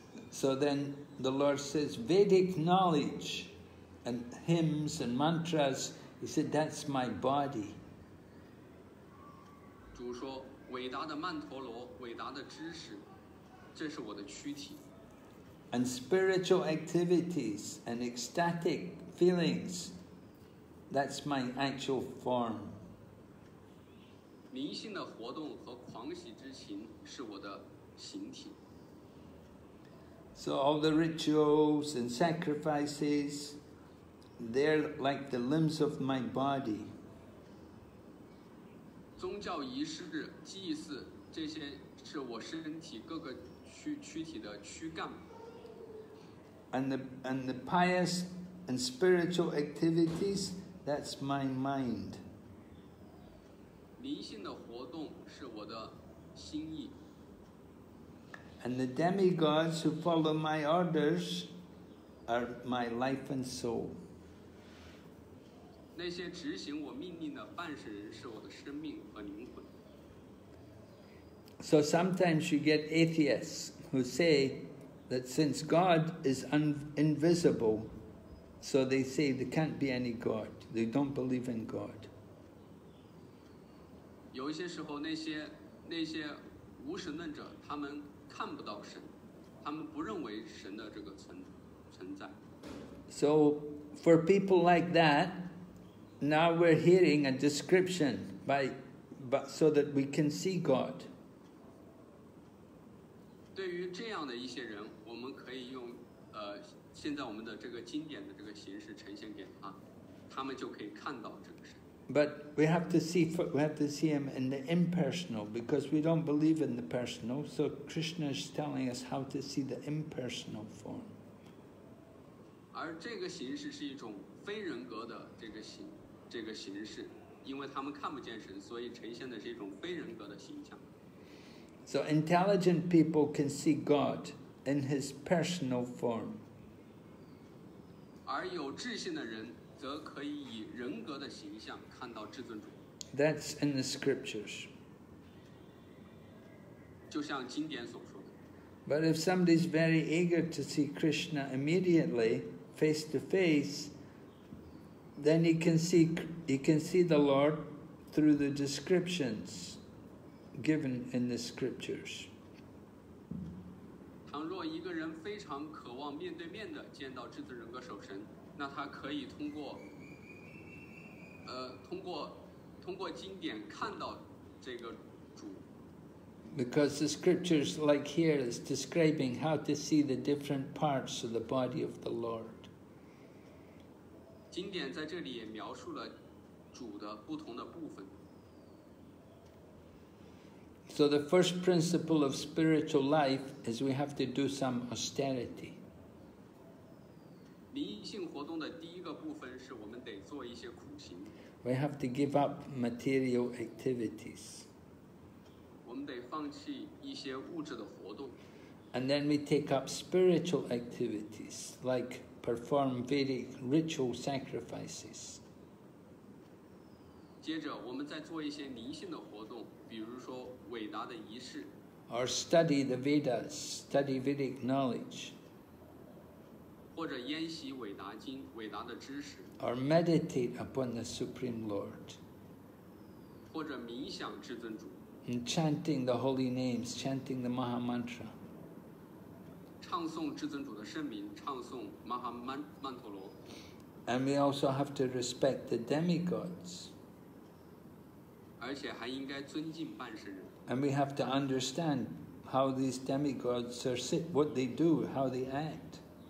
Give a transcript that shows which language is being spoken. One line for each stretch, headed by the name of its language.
English: So then the Lord says, Vedic knowledge and hymns and mantras, he said, that's my body.
Chinese: 主说，伟大的曼陀罗，伟大的知识，这是我的躯体。
English: And spiritual activities and ecstatic feelings, that's my actual form.
Chinese: 灵性的活动和狂喜之情是我的形体。
English: So all the rituals and sacrifices, they're like the limbs of my body.
Chinese: 宗教仪式、祭祀，这些是我身体各个躯体的躯干。
English: And the pious and spiritual activities, that's my mind.
Chinese: 灵性的活动是我的心意。
English: And the demigods who follow my orders are my life and soul.
Chinese: 那些执行我命令的办事人是我的生命和灵魂。
English: So sometimes you get atheists who say that since God is invisible, so they say there can't be any God. They don't believe in God.
Chinese: 有一些时候那些无神论者他们看不到神，他们不认为神的这个存在。
English: So, for people like that, now we're hearing a description by so that we can see God.
Chinese: 对于这样的一些人，我们可以用现在我们的这个经典的这个形式呈现给他，他们就可以看到这个神。
English: But we have to see him in the impersonal because we don't believe in the personal. So Krishna is telling us how to see the impersonal form.
Chinese: 而这个形式是一种非人格的这个形式，因为他们看不见神，所以呈现的是一种非人格的形象。
English: So intelligent people can see God in his personal form.
Chinese: 而有智性的人。则可以以人格的形象看到至尊主。
English: That's in the scriptures.
Chinese: 就像经典所说的。
English: But if somebody is very eager to see Krishna immediately, face to face, then he can see the Lord through the descriptions given in the scriptures.
Chinese: 倘若一个人非常渴望面对面的见到至尊人格首身。那他可以通过经典看到这个主。
English: Because the scriptures, like here, is describing how to see the different parts of the body of the Lord.
Chinese: 经典在这里也描述了主的不同的部分。
English: So the first principle of spiritual life is we have to do some austerity.
Chinese: 灵性活动的第一个部分是我们得做一些苦行。
English: We have to give up material activities.
Chinese: 我们得放弃一些物质的活动。
English: And then we take up spiritual activities, like perform Vedic ritual sacrifices.
Chinese: 接着我们再做一些灵性的活动，比如说伟大的仪式。
English: Or study the Vedas, study Vedic knowledge.
Chinese: 或者研习伟达经，伟达的知识。
English: Or meditate upon the Supreme Lord.
Chinese: 或者冥想至尊主。
English: And chanting the holy names, chanting the Maha Mantra.
Chinese: 唱诵至尊主的圣名，唱诵 Maha Mantra.
English: And we also have to respect the demigods.
Chinese: 而且还应该尊敬半神人。
English: And we have to understand how these demigods are, what they do, how they act.